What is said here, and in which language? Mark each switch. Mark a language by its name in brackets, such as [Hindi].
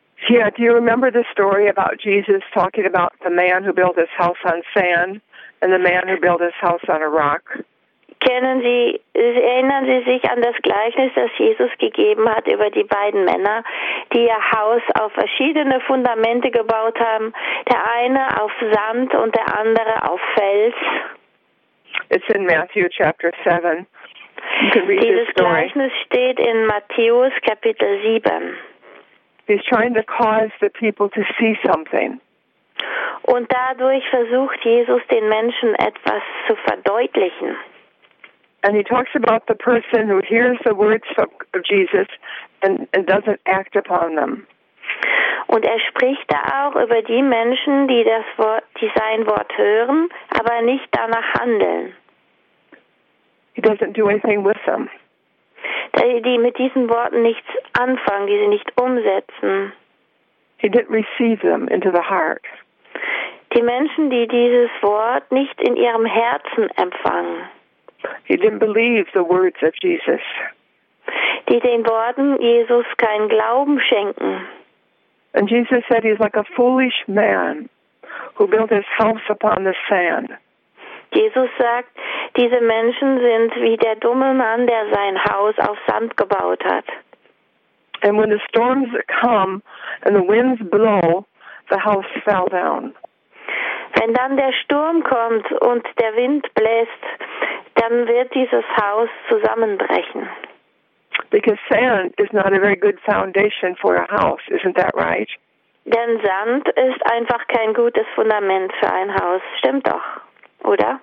[English] Yeah, do you remember the story about Jesus talking about the man who built his house on sand and the man who built his house on a rock? [German] Erinnern Sie sich an das Gleichnis, das Jesus gegeben hat über die beiden Männer, die ihr Haus auf verschiedene Fundamente gebaut haben, der eine auf Sand und der andere auf Fels? [English] It's in Matthew chapter 7. [German] Dieses Gleichnis steht in Matthäus Kapitel 7. [English] He's trying to cause the people to see something. [German] Und dadurch versucht Jesus, den Menschen etwas zu verdeutlichen. [English] And he talks about the person who hears the words of Jesus and doesn't act upon them. [German] Und er spricht da auch über die Menschen, die das Wort, die sein Wort hören, aber nicht danach handeln. [English] He doesn't do anything with them. [German] Die mit diesen Worten nichts anfangen, die sie nicht umsetzen. [English] He didn't receive them into the heart. [German] Die Menschen, die dieses Wort nicht in ihrem Herzen empfangen. [English] He didn't believe the words of Jesus. [German] Die den Worten Jesus keinen Glauben schenken. [English] And Jesus said he's like a foolish man who built his house upon the sand. [German] Jesus sagt, diese Menschen sind wie der dumme Mann, der sein Haus auf Sand gebaut hat. [English] And when the storms come and the winds blow, the house fell down. [German] Wenn dann der Sturm kommt und der Wind bläst, dann wird dieses Haus zusammenbrechen. [English] Because sand is not a very good foundation for a house, isn't that right? [German] Denn Sand ist einfach kein gutes Fundament für ein Haus, stimmt doch, oder?